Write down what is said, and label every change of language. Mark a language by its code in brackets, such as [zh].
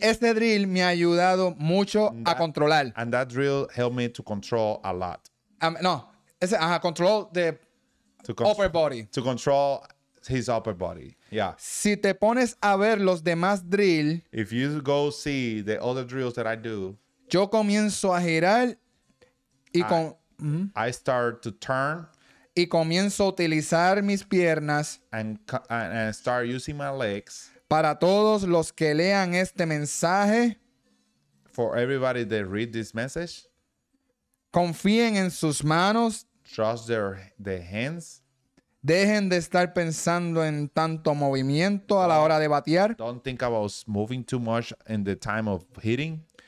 [es] Y este drill me ha ayudado mucho a controlar. [en] And that drill helped me to control a lot. Upper body. To control his upper body, yeah. [es] Si te pones a ver los demás drill. [en] If you go see the other drills that I do. [es] Yo comienzo a girar [en] I start to turn. [es] Y comienzo a utilizar mis piernas. [en] And start using my legs. [es] Para todos los que lean este mensaje. [en] For everybody that read this message. [es] Confíen en sus manos. [en] Trust their hands. [es] Dejen de estar pensando en tanto movimiento a la hora de batear. [en] Don't think about moving too much in the time of hitting.